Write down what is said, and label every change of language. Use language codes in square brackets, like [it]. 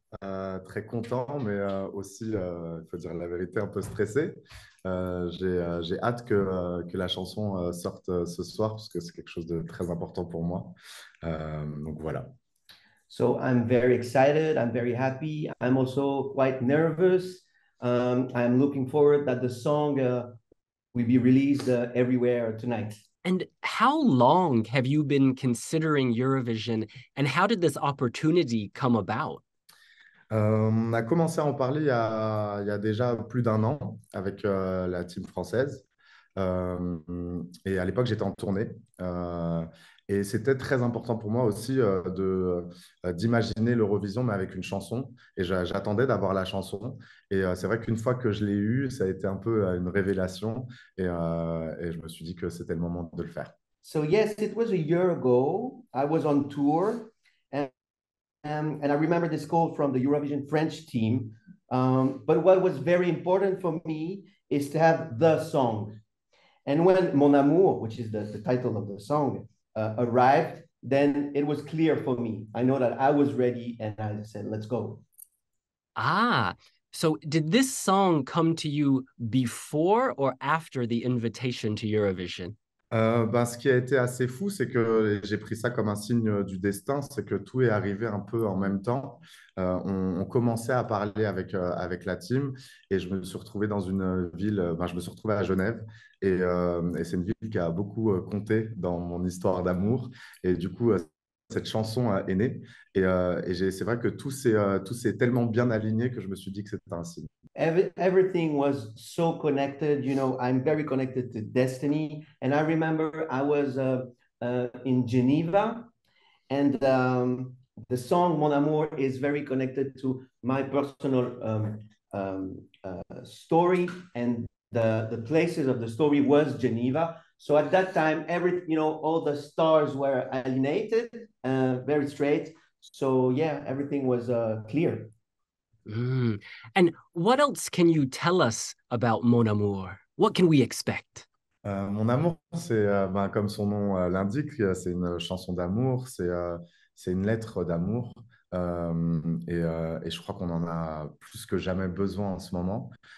[fr] Très content, mais aussi, il faut dire la vérité, un peu stressé. J'ai hâte que la chanson sorte ce soir, parce que c'est quelque chose de très important pour moi. Donc voilà. [en] So I'm very excited, I'm very happy, I'm also quite nervous. I'm looking forward that the song will be released everywhere tonight. And how long have you been considering Eurovision, and how did this opportunity come about? [fr] On a commencé à en parler il y a déjà plus d'un an avec la team française. Et à l'époque, j'étais en tournée. Et c'était très important pour moi aussi d'imaginer l'Eurovision, mais avec une chanson. Et j'attendais d'avoir la chanson. Et c'est vrai qu'une fois que je l'ai eue, ça a été un peu une révélation. Et je me suis dit que c'était le moment de le faire. [en] So yes, it was a year ago. I was on tour. And I remember this call from the Eurovision French team. But what was very important for me is to have the song. And when Mon Amour, which is the title of the song, arrived, then it was clear for me. I know that I was ready and I said, let's go. Ah, so did this song come to you before or after the invitation to Eurovision? [fr] Ce qui a été assez fou, c'est que j'ai pris ça comme un signe du destin, c'est que tout est arrivé un peu en même temps. On commençait à parler avec la team et je me suis retrouvé dans une ville, je me suis retrouvé à Genève et c'est une ville qui a beaucoup compté dans mon histoire d'amour. Et du coup, cette chanson est née et c'est vrai que tout s'est tellement bien aligné que je me suis dit que c'était un signe. [en] Everything was so connected, you know, I'm very connected to destiny. And I remember I was in Geneva and the song Mon Amour is very connected to my personal story, and the places of the story was Geneva. So at that time, all the stars were aligned, very straight. So yeah, everything was clear. And what else can you tell us about Mon Amour? What can we expect? [fr] Mon Amour, c'est comme son nom l'indique, c'est une chanson d'amour, c'est une lettre d'amour. Et je crois qu'on en a plus que jamais besoin en ce moment.